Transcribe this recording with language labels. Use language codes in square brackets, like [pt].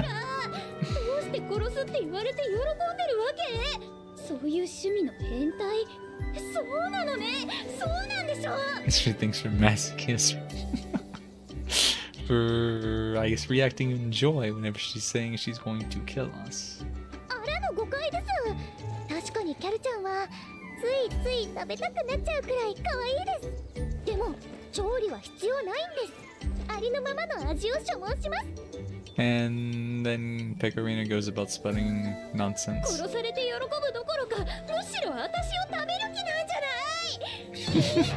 [ja] どうして殺すって言われて喜んでるわけ？そういう趣味の変態。そうなのね。そうなんでしょう。 [en] She thinks you're masochist. For, I guess, reacting in joy whenever she's saying she's going to kill us. [ja] あらの誤解です。確かにキャルちゃんは、ついつい食べたくなっちゃうくらい可愛いです。でも調理は必要ないんです。ありのままの味を所望します。 [en] And then Pecorino goes about spreading nonsense. [ja] 殺されて喜ぶどころか、むしろ私を食べる気なんじゃない。